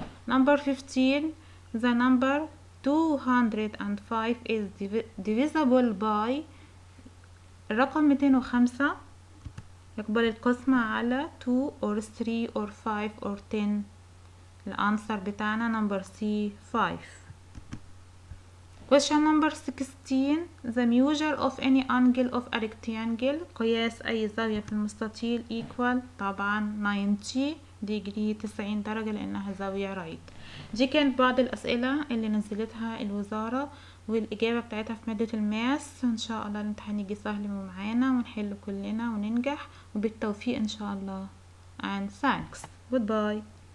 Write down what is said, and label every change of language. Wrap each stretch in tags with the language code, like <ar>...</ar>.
<en>number 15 the number 205 is divisible by.</en> <ar>الرقم 205 يقبل القسمة على 2 or 3 or 5 or 10. الانسر بتاعنا number C 5.</ar> <en>question number 16 the measure of any angle of a rectangle</en> <ar>قياس اي زاوية في المستطيل</ar> <en>equal</en> <ar>طبعا 90 degree 90 درجة لانها زاوية right. دي كانت بعض الاسئلة اللي نزلتها الوزارة والاجابة بتاعتها في مادة الماس. ان شاء الله الامتحان يجي سهل ومعانا ونحل كلنا وننجح، وبالتوفيق ان شاء الله.</ar> <en>and thanks. goodbye.</en>